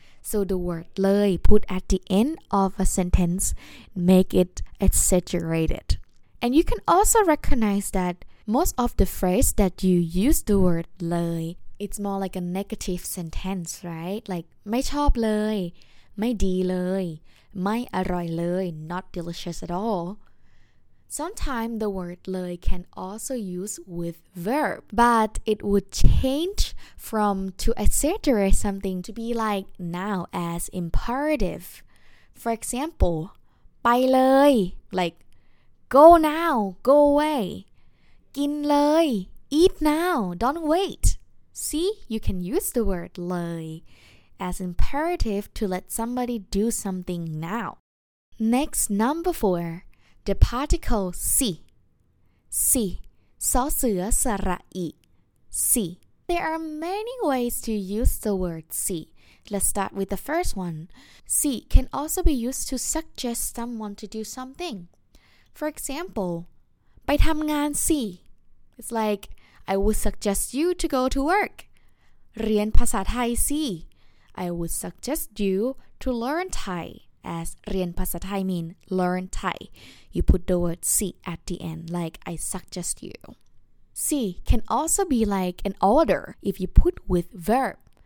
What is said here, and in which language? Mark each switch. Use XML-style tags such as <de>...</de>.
<en>So the word เลย put at the end of a sentence make it exaggerated. And you can also recognize that most of the phrase that you use the word เลย it's more like a negative sentence, right?</en> <th>Like ไม่ชอบเลยไม่ดีเลยไม่อร่อยเลย</th> <en>not delicious at all. Sometimes the word เลย can also use with verb, but it would change from to exaggerate something to be like now as imperative. For example,</en> <th>ไปเลย</th> <en>like go now, go away.</en> <th>กินเลย</th> <en>eat now, don't wait. See, you can use the word เลยas imperative to let somebody do something now. Next, number 4, the particle si. Si, สเสือสระอี si. There are many ways to use the word si. Let's start with the first one. Si can also be used to suggest someone to do something. For example,</en> <th>ไปทำงานสิ</th> <en>It's like, I would suggest you to go to work.</en> <th>เรียนภาษาไทยสิ</th> <en>I would suggest you to learn Thai, as</en> <th>เรียนภาษาไทย</th> <en>mean learn Thai. You put the word si at the end, like I suggest you. Si can also be like an order if you put with verb.</en>